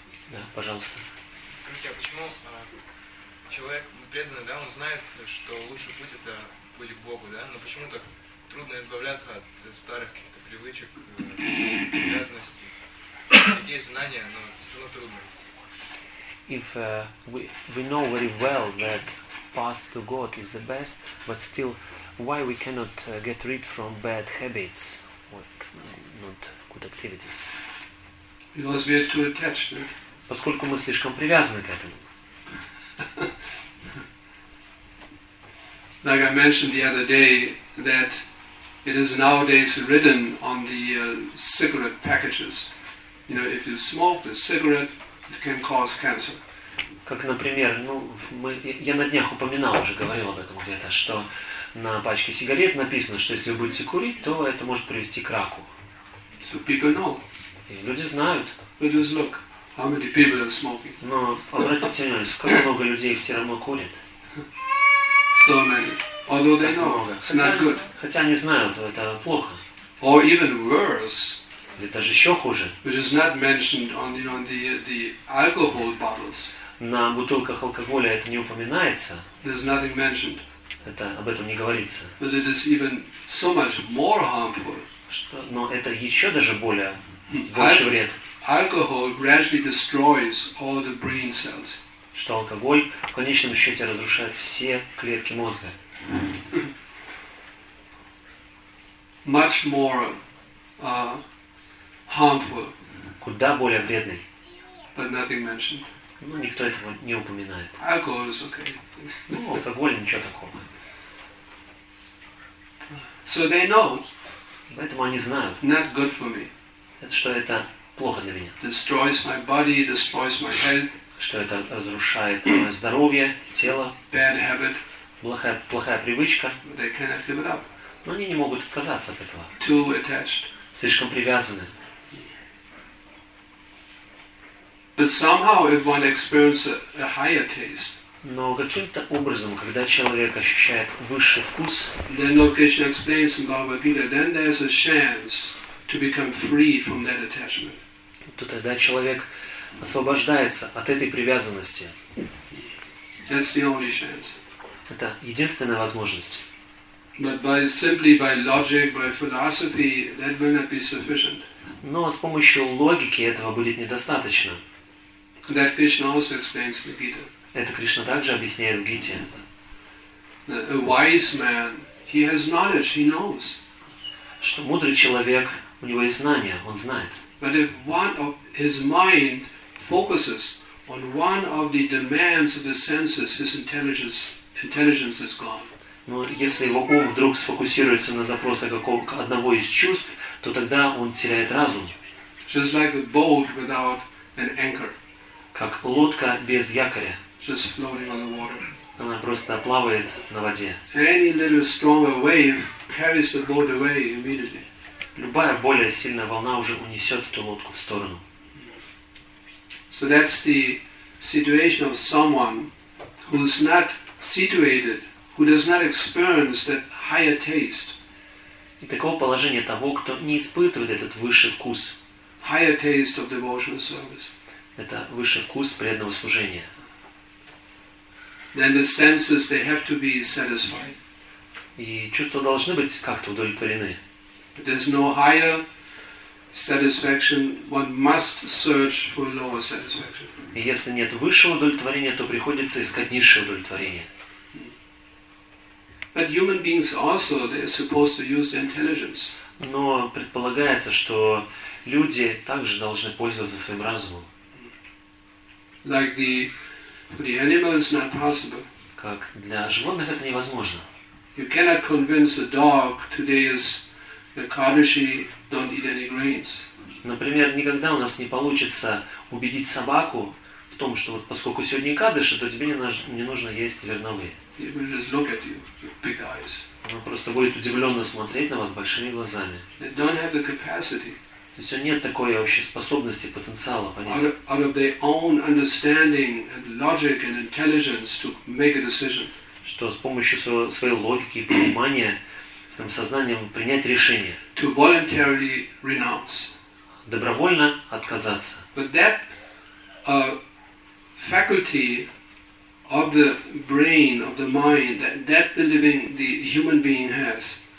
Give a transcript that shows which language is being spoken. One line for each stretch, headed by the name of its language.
Russian: Да, пожалуйста. Скажите, а почему человек преданный, да, он знает, что лучший путь это быть к Богу, да? Но почему так трудно избавляться от старых каких-то привычек, обязанностей? Где есть знания, но все равно трудно.
English: If we know very well that path to God is the best, but still, why we cannot get rid from bad habits or not good activities? Because we are too attached. Right?
Russian: Поскольку мы слишком привязаны к этому.
English: Like I mentioned the other day, that it is nowadays written on the cigarette packages. You know, if you smoke a cigarette, it can cause cancer.
Russian: Как, например, ну, мы, я на днях упоминал уже, говорил об этом где-то, что на пачке сигарет написано, что если вы будете курить, то это может привести к раку.
English: So people know.
Russian: И люди знают.
English: But just look, how many people are smoking.
Russian: Но обратите внимание, сколько много людей все равно курят.
English: So many. Although they know, it's not good.
Russian: Хотя они знают, это плохо.
English: Or even worse.
Russian: Или даже еще хуже.
English: Which is not mentioned on, you know, the alcohol bottles.
Russian: На бутылках алкоголя это не упоминается.
English: There's nothing mentioned.
Russian: Это об этом не говорится.
English: But it is even so much more harmful.
Russian: Что, но это еще даже более больше вред.
English: Alcohol gradually destroys all the brain cells.
Russian: Что алкоголь в конечном счете разрушает все клетки мозга.
English: Much more harmful.
Russian: Куда более вредный.
English: But nothing mentioned.
Russian: Ну, никто этого не упоминает.
English: Alcohol is okay.
Russian: Ну, алкоголь, ничего такого.
English: So they know.
Russian: Поэтому они знают.
English: Not good for me.
Russian: Это что, это плохо для меня.
English: Destroys my body, destroys my health.
Russian: Что это разрушает мое здоровье, тело.
English: Bad habit.
Russian: Плохая привычка.
English: They cannot give it up.
Russian: Но они не могут отказаться от этого.
English: Too attached.
Russian: Слишком привязаны.
English: But somehow, if one experiences a higher taste,
Russian: но каким-то образом, когда человек ощущает высший вкус,
English: then Lord Krishna explains in Bhagavad Gita, then there's a chance to become free from that attachment.
Russian: То тогда человек освобождается от этой привязанности.
English: That's the only chance.
Russian: Это единственная возможность.
English: But by simply by logic, by philosophy, that will not be sufficient.
Russian: Но с помощью логики этого будет недостаточно.
English: That Krishna also explains in the Gita.
Russian: Это Кришна также объясняет в Гите.
English: A wise man, he has knowledge, he knows.
Russian: Что мудрый человек, у него есть знания, он знает.
English: But if one of his mind focuses on one of the demands of the senses, his intelligence is gone.
Russian: Но если его ум вдруг сфокусируется на запросах одного из чувств, то тогда он теряет разум.
English: Just like a boat without an anchor.
Russian: Как лодка без якоря.
English: Just floating on the water.
Russian: Она просто плавает на воде.
English: Any little stronger wave carries the boat away immediately.
Russian: Любая более сильная волна уже унесет эту лодку в сторону.
English: So that's the situation of someone who's not situated, who does not experience that higher taste.
Russian: И такого положения того, кто не испытывает этот высший вкус.
English: Higher taste of devotional service.
Russian: Это высший вкус преданного служения.
English: Then the senses, they have to be satisfied.
Russian: И чувства должны быть как-то удовлетворены.
English: There's no higher satisfaction. One must search for lower satisfaction.
Russian: И если нет высшего удовлетворения, то приходится искать низшее удовлетворение.
English: But human beings also, they are supposed to use their intelligence.
Russian: Но предполагается, что люди также должны пользоваться своим разумом.
English: Like the for the animals, not possible.
Russian: Как для животных это невозможно.
English: You cannot convince a dog today is Kadashi, don't eat any grains.
Russian: Например, никогда у нас не получится убедить собаку в том, что вот поскольку сегодня кадыши, то тебе не нужно есть зерновые.
English: It will just look at you with big eyes.
Russian: Она просто будет удивленно смотреть на вас большими глазами.
English: They don't have the capacity.
Russian: То есть у них нет такой вообще способности, потенциала понять.
English: Out of their own understanding and logic and intelligence to make a decision.
Russian: Что с помощью своей логики и понимания сознанием принять решение.
English: To voluntarily renounce.
Russian: Добровольно отказаться.
English: But that faculty of the brain, of the mind, that the living, the human being has.